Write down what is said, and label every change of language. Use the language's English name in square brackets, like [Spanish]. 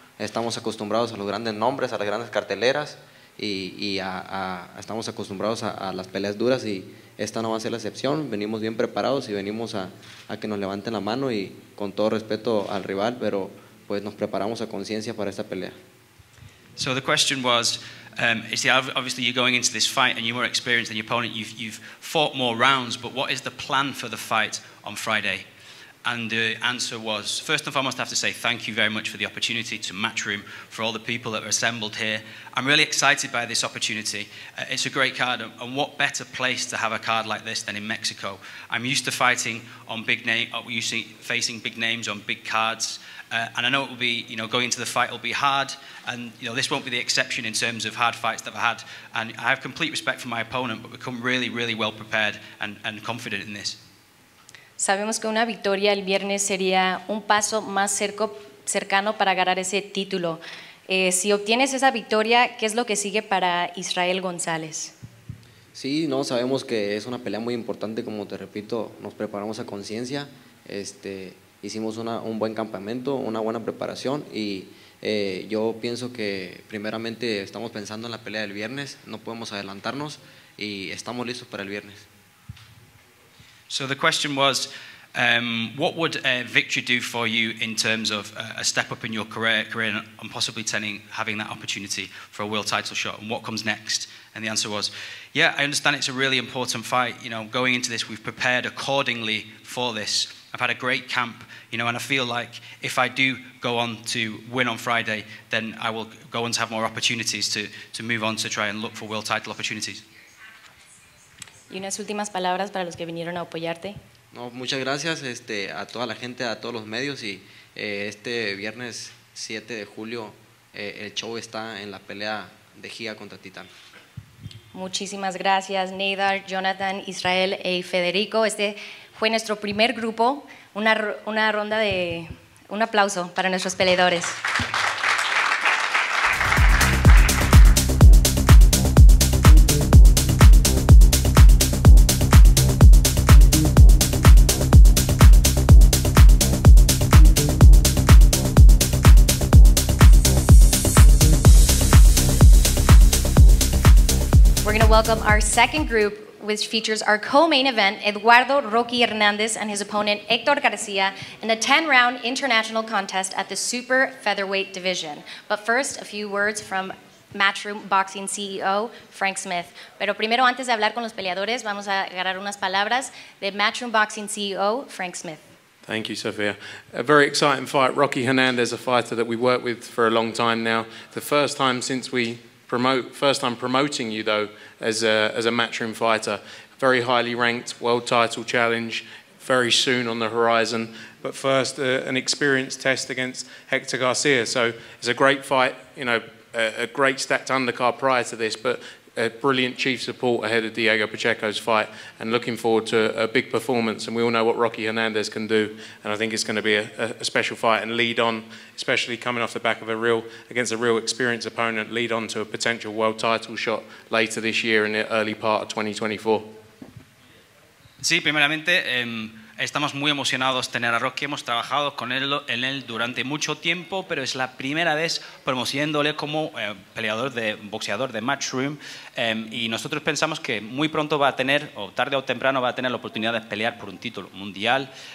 [Spanish] Estamos acostumbrados a los grandes nombres, a las grandes carteleras y estamos acostumbrados a las peleas duras y esta no va a ser la excepción. Venimos bien preparados y venimos a que nos levanten la mano y con todo respeto al rival, pero pues nos preparamos a conciencia para esta pelea. [English] So the question was, obviously you're going into this fight and you're more experienced than your opponent. You've fought more rounds, but what is the plan for the fight on Friday? And the answer was, first and foremost, I have to say thank you very much for the opportunity to Matchroom, for all the people that are assembled here. I'm really excited by this opportunity. It's a great card, and what better place to have a card like this than in Mexico? I'm used to fighting on big name, facing big names on big cards. And I know it will be, you know, going into the fight will be hard, and you know this won't be the exception in terms of hard fights that I've had. And I have complete respect for my opponent, but we've come really, really well prepared and confident in this. [Spanish] Sabemos que una victoria el viernes sería un paso más cercano para ganar ese título. Si obtienes esa victoria, ¿qué es lo que sigue para Israel González? Sí, no, sabemos que es una pelea muy importante, como te repito, nos preparamos a conciencia. Hicimos un buen campamento, una buena preparación y yo pienso que primeramente estamos pensando en la pelea del viernes, no podemos adelantarnos y estamos listos para el viernes. So the question was, what would a victory do for you in terms of a step up in your career and possibly having that opportunity for a world title shot, and what comes next? And the answer was, yeah, I understand it's a really important fight. You know, going into this, we've prepared accordingly for this. I've had a great camp, you know, and I feel like if I do go on to win on Friday, then I will go on to have more opportunities to move on to try and look for world title opportunities. Y unas últimas palabras para los que vinieron a apoyarte. No, muchas gracias a toda la gente, a todos los medios y este viernes 7 de julio el show está en la pelea de Giga contra Titán. Muchísimas gracias, Nadar, Jonathan, Israel y Federico. Este fue nuestro primer grupo. Una ronda de un aplauso para nuestros peleadores. [English] Welcome our second group, which features our co-main event, Eduardo Rocky Hernandez and his opponent Hector Garcia in a 10-round international contest at the super featherweight division. But first, a few words from Matchroom Boxing CEO Frank Smith. [Spanish] Pero primero, antes de hablar con los peleadores, vamos a agarrar unas palabras de Matchroom Boxing CEO Frank Smith. [English] Thank you, Sofia. A very exciting fight. Rocky Hernandez, a fighter that we worked with for a long time now. The first time since we first time promoting you, though, as a Matchroom fighter. Very highly ranked, world title challenge, very soon on the horizon. But first, an experience test against Hector Garcia. So it's a great fight, you know, a great stacked undercard prior to this, but a brilliant chief support ahead of Diego Pacheco's fight, and looking forward to a big performance. And we all know what Rocky Hernandez can do, and I think it's going to be a special fight and lead on, especially coming off the back of against a real experienced opponent, lead on to a potential world title shot later this year in the early part of 2024. [Spanish] Sí, primeramente, estamos muy emocionados tener a Rocky. Hemos trabajado con él en él durante mucho tiempo, pero es la primera vez promoviéndole como peleador de boxeador de Matchroom. Y nosotros pensamos que muy pronto va a tener, o tarde o temprano, va a tener la oportunidad de pelear por un título mundial.